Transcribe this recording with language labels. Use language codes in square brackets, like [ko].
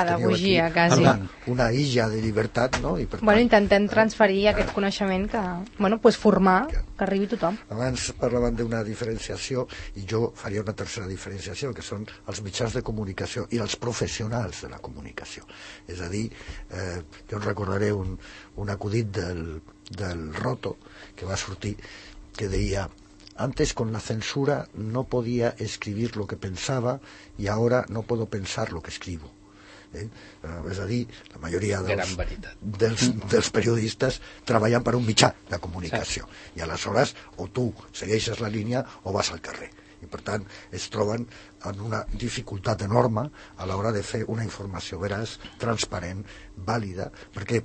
[ca] pedagogia, teniu aquí quasi una illa de llibertat, no? I per bueno, tant, intentem transferir aquest coneixement que, bueno, pues formar, que arribi tothom. Abans parlàvem d'una diferenciació, i jo faria una tercera diferenciació, que són els mitjans de comunicació i els professionals de la comunicació. És a dir, jo recordaré un acudit del Roto, que va sortir, que deia: [es] antes con la censura no podía escribir lo que pensaba y ahora no puedo pensar lo que escribo. [ca] És a dir, la majoria dels periodistes treballen per un mitjà de comunicació. Sí. I aleshores o tu segueixes la línia o vas al carrer. I per tant es troben en una dificultat enorme a l'hora de fer una informació veraç, transparent, vàlida. Per què?